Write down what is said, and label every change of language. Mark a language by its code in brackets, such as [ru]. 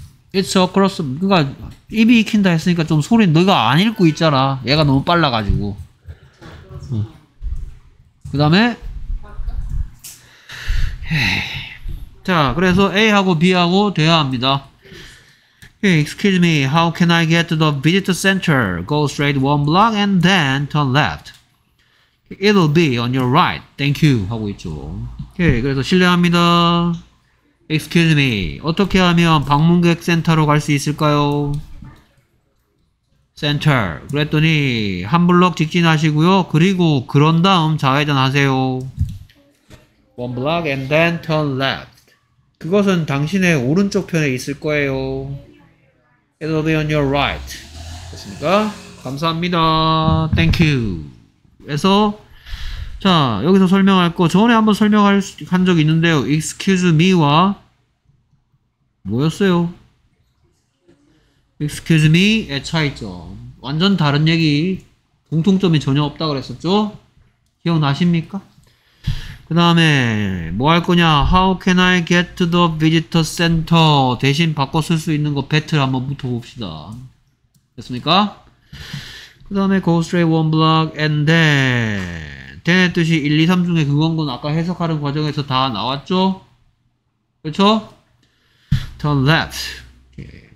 [ko] 그쵸, 그렇어. 그니까, 입이 익힌다 했으니까 좀 소리, 너가 안 읽고 있잖아. 얘가 너무 빨라가지고. 응. 그 다음에, 자, 그래서 A하고 B하고 대화합니다. [en] Hey, excuse me, how can I get to the visitor center? Go straight one block and then turn left. It'll be on your right. Thank you. [ko] 하고 있죠. [en] Hey, [ko] 그래서 실례합니다. [en] Excuse me. [ko] 어떻게 하면 방문객 센터로 갈 수 있을까요? [en] Center. [ko] 그랬더니 한 블럭 직진하시고요. 그리고 그런 다음 좌회전 하세요. [en] One block and then turn left. [ko] 그것은 당신의 오른쪽 편에 있을 거예요. [en] It'll be on your right. [ko] 됐습니까? 감사합니다. [en] Thank you. [ko] 그래서 자, 여기서 설명할 거 전에 한번 설명한 적이 있는데요. [en] Excuse me [ko] 와 뭐였어요? [en] Excuse me [ko] 의 차이점. 완전 다른 얘기. 공통점이 전혀 없다 그랬었죠? 기억나십니까? 그 다음에 뭐 할 거냐? [en] How can I get to the visitor center? [ko] 대신 바꿔 쓸 수 있는 거 배틀 한번 붙어봅시다. 됐습니까? 그 다음에 [en] go straight one block and then [ko] 의 뜻이 1, 2, 3 중에 그건 건 아까 해석하는 과정에서 다 나왔죠? 그렇죠? [en] Turn left. Okay.